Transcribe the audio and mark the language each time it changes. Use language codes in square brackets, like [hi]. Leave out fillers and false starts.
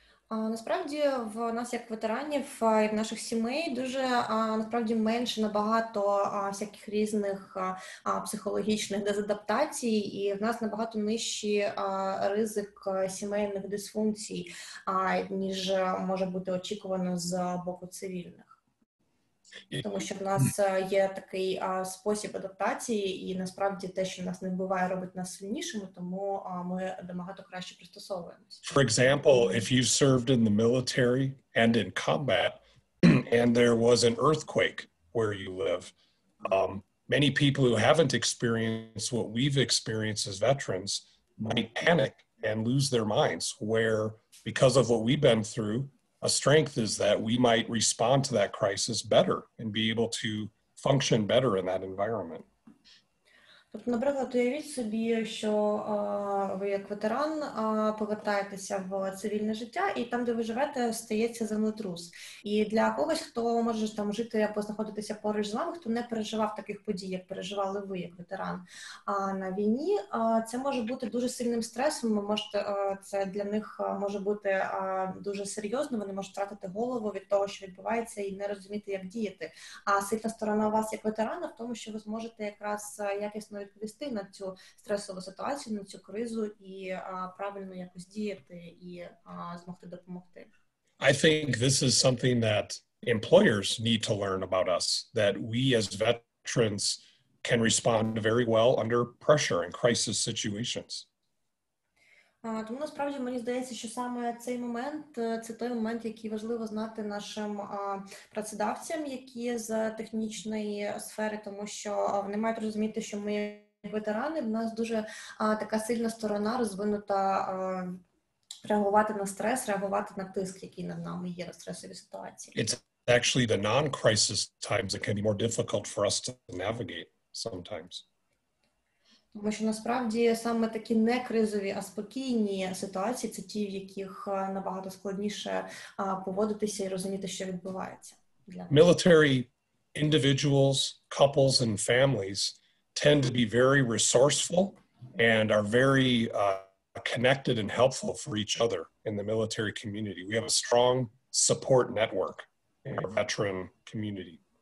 [uk] Насправді, в нас як ветеранів і в наших сімей дуже, насправді, менше набагато всяких різних психологічних дезадаптацій, і в нас набагато нижчий ризик сімейних дисфункцій, ніж може бути очікувано з боку цивільних. Тому що в нас є такий спосіб адаптації, і насправді те, що нас не вбиває, робить нас сильнішими, тому ми набагато краще пристосовуємося. [en] For example, if you served in the military and in combat, and there was an earthquake where you live, many people who haven't experienced what we've experienced as veterans might panic and lose their minds, where because of what we've been through, a strength is that we might respond to that crisis better and be able to function better in that environment. [uk] Тобто, наприклад, уявіть собі, що ви як ветеран повертаєтеся в цивільне життя, і там, де ви живете, стається землетрус. І для когось, хто може там жити або знаходитися поруч з вами, хто не переживав таких подій, як переживали ви як ветеран на війні, це може бути дуже сильним стресом. Ви можете це для них може бути дуже серйозно. Вони можуть втратити голову від того, що відбувається, і не розуміти, як діяти. А сильна сторона у вас як ветерана в тому, що ви зможете якраз якісно відповісти на цю стресову ситуацію, на цю кризу і правильно якось діяти і змогти допомогти. [en] I think this is something that employers need to learn about us, that we as veterans can respond very well under pressure and crisis situations. [uk] Тому насправді мені здається, що саме цей момент це той момент, який важливо знати нашим працедавцям, які з технічної сфери, тому що вони мають розуміти, що ми як ветерани, в нас дуже така сильна сторона розвинута реагувати на стрес, реагувати на тиск, який над нами є на стресові ситуації. [en] It's actually the non-crisis times that can be more difficult for us to navigate sometimes. [uk] Тому що насправді саме такі не кризові, а спокійні ситуації, це ті, в яких набагато складніше поводитися і розуміти, що відбувається. [en] Military individuals, couples and families tend to be very resourceful and are very connected and helpful for each other in the military community. We have a strong support network in our veteran community.